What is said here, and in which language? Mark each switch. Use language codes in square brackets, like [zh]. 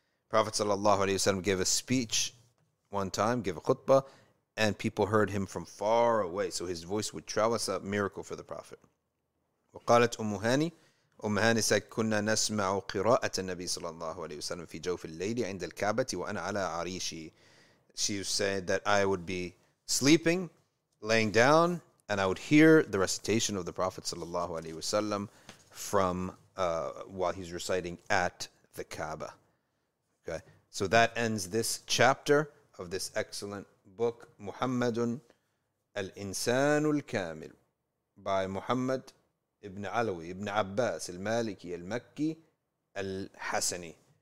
[en] Prophet sallallahu alaihi wasallam gave a speech one time, gave a khutbah, and people heard him from far away. So his voice would travel. It's a miracle for the Prophet. [ar] وقالت أم هاني أم هانسة كنا نسمع قراءة النبي صلى الله عليه وسلم في جوف الليل عند الكعبة وأنا على عريشي. [en] She said that I would be sleeping, laying down, and I would hear the recitation of the Prophet [ar] صلى الله عليه وسلم [en] from while he's reciting at the Kaaba. Okay, so that ends this chapter of this excellent book, Muhammadun al-Insan al-Kamil, by Muhammad ibn Alawi, ibn Abbas, al-Maliki, al-Makki, al-Hasani.